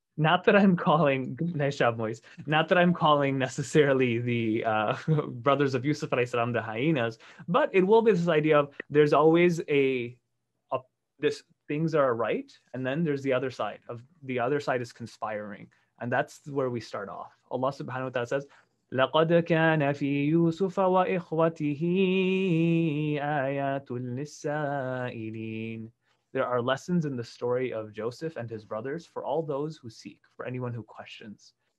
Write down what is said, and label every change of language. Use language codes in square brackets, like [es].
[en] Not that I'm calling, nice job, Moise. Not that I'm calling necessarily the brothers of Yusuf alayhi salam the hyenas, but it will be this idea of there's always this things are right, and then there's the other side is conspiring, and that's where we start off. [ar] Allah subhanahu wa ta'ala says, لقد كان في يوسف وإخوته آيات للسائلين. [en] There are lessons in the story of Joseph and his brothers for all those who seek, for anyone who questions.